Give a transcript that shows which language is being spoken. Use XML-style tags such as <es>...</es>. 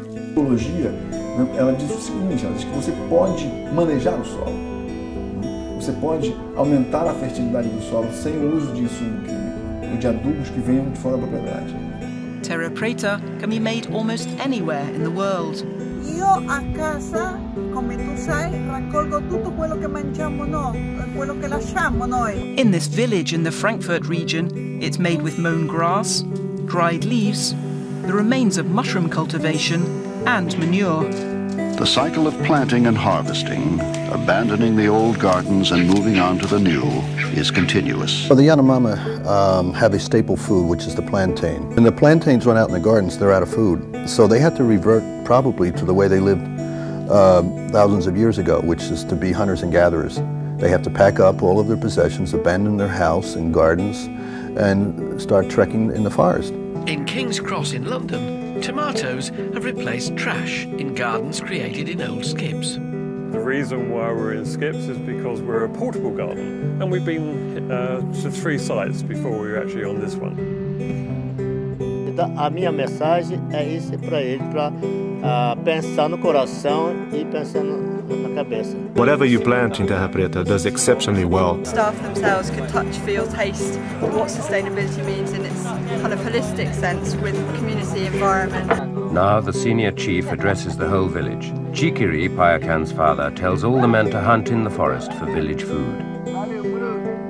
<pt>ecologia, né, ela diz o seguinte, ela diz que você pode manejar o solo. Você pode aumentar a fertilidade do solo sem o uso de insumo químico, de adubos que venham de fora da propriedade.</pt> <en>Terra preta can be made almost anywhere in the world.</en> <it>Io a casa, come tu sai, raccolgo tutto quello che mangiamo noi, quello che lasciamo noi.</it> <en>In this village in the Frankfurt region, it's made with mown grass, dried leaves, the remains of mushroom cultivation, and manure. The cycle of planting and harvesting, abandoning the old gardens and moving on to the new, is continuous. Well, the Yanomami have a staple food, which is the plantain. When the plantains run out in the gardens, they're out of food. So they have to revert probably to the way they lived thousands of years ago, which is to be hunters and gatherers. They have to pack up all of their possessions, abandon their house and gardens, and start trekking in the forest. In King's Cross in London, tomatoes have replaced trash in gardens created in old skips. The reason why we're in skips is because we're a portable garden, and we've been to three sites before we were actually on this one.</en> <pt>A minha mensagem é isso para ele, para pensar no coração e pensar na cabeça.</pt> <en>Whatever you plant in Terra Preta does exceptionally well. Staff themselves can touch, feel, taste what sustainability means in its kind of holistic sense with community environment. Now the senior chief addresses the whole village. Chikiri, Payakan's father, tells all the men to hunt in the forest for village food.</en>